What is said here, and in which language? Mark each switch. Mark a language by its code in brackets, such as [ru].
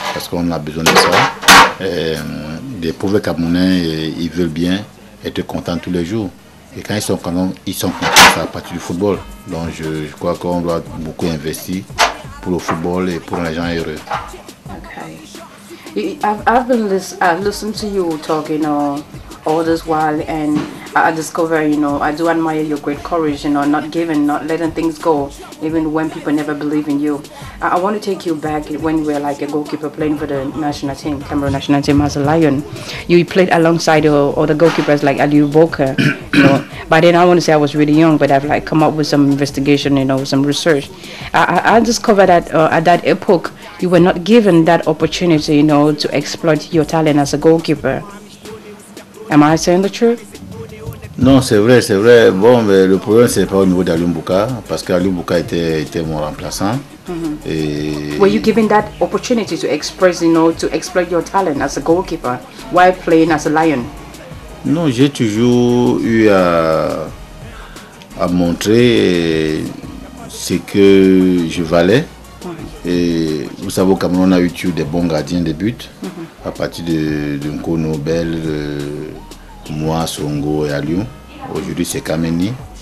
[fr] Parce qu'on a besoin de ça. Et des pauvres Camerounais, ils veulent bien être contents tous les jours. Et quand ils sont contents à partir du football. Donc je crois qu'on doit beaucoup investir pour le football et pour les gens heureux. Okay. [en] I've been listening to you talking all this while, and I discover, you know, I do admire your great courage, you know, not giving, not letting things go, even when people never believe in you. I want to take you back when you were like a goalkeeper playing for the national team, Cameroon national team as a Lion. You played alongside other goalkeepers like Aliou Boka, you know. By then, I want to say I was really young, but I've like come up with some investigation, you know, some research. I discovered that at that epoch, you were not given that opportunity, you know, to exploit your talent as a goalkeeper. Am I saying the truth? [fr] Non, c'est vrai. Bon, mais le problème, ce n'est pas au niveau d'Aliou Boka, parce qu'Aliou Boka était mon remplaçant. Mm-hmm. [en] Et were you given that opportunity to express, you know, to exploit your talent as a goalkeeper while playing as a Lion? [fr] Non, j'ai toujours eu à montrer ce que je valais. Mm-hmm. Et vous savez, au Cameroun, on a eu toujours des bons gardiens de but, mm-hmm. à partir de Nkono, Bel, moi, Songo et Aliou. Aujourd'hui, c'est Kameni.